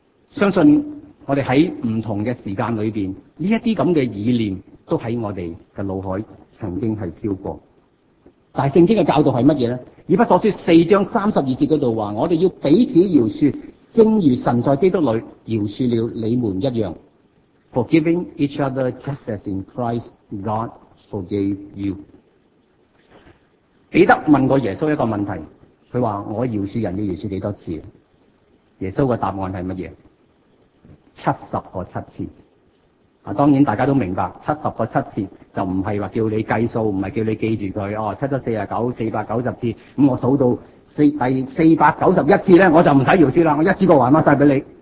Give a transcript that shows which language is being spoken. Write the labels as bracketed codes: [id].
[yue] 相信我们在不同的时间里面，这些这样的意念都在我们的脑海曾经是飘过。但圣经的教导是什么呢？以弗所书四章三十二节那里说，我们要彼此饶恕，正如神在基督里饶恕了你们一样。 [en] Forgiving each other just as in Christ God forgave you。 [yue] 彼得问过耶稣一个问题，他说我饶恕人要饶恕多少次？耶稣的答案是什么？ 70个7次。当然大家都明白70个7次就不是叫你计数，不是叫你记住它、哦、70、49、490次，那我数到第491次我就不用饶恕了，我一次过还给你。